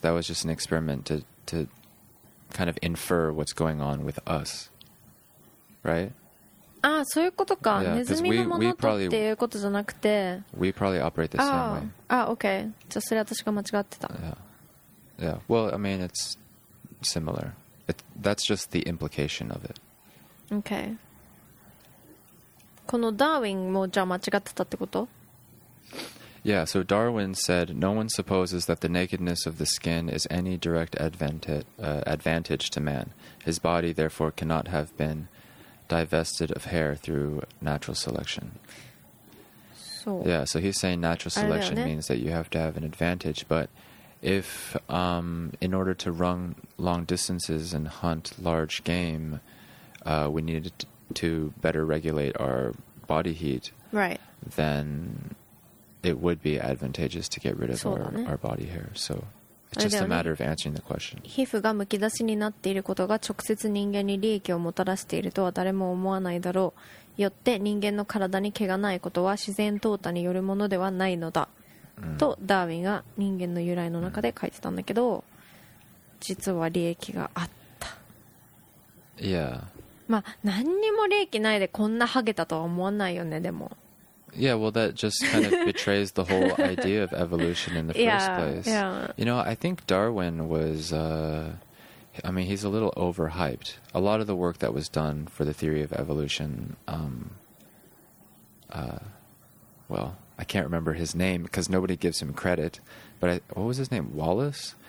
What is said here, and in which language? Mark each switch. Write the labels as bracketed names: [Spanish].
[English] That was just an experiment to kind of infer what's going on with us. Right? [Japanese] ああ、そういうことか。ネズミのものとっていうことじゃなくて、 [English] we probably operate the same way. [Japanese] ああ、OK。じゃあそれ私が間違ってた。 [English] Yeah. Yeah. Well, I mean, it's similar. That's just the implication of it. OK。 [Japanese] このダーウィンもじゃあ間違ってたってこと? [English] Yeah, so Darwin said, no one supposes that the nakedness of the skin is any direct advantage to man. His body, therefore, cannot have beenDivested of hair through natural selection. So, yeah, so he's saying natural selection means that you have to have an advantage. But if, in order to run long distances and hunt large game, we needed to better regulate our body heat, right? Then it would be advantageous to get rid of our body hair. So. It's just a matter of answering the question. [Japanese] 皮膚がむき出しになっていることが直接人間に利益をもたらしているとは誰も思わないだろう。よって人間の体に毛がないことは自然淘汰によるものではないのだ。とダーウィンが人間の由来の中で書いてたんだけど、実は利益があった。 [English] Yeah. [Japanese] まあ何にも利益ないでこんなハゲたとは思わないよね、でも。 [English] Yeah, well, that just kind of betrays the whole idea of evolution in the first place. Yeah. You know, I think Darwin was, he's a little overhyped. A lot of the work that was done for the theory of evolution, I can't remember his name because nobody gives him credit, but what was his name? Wallace?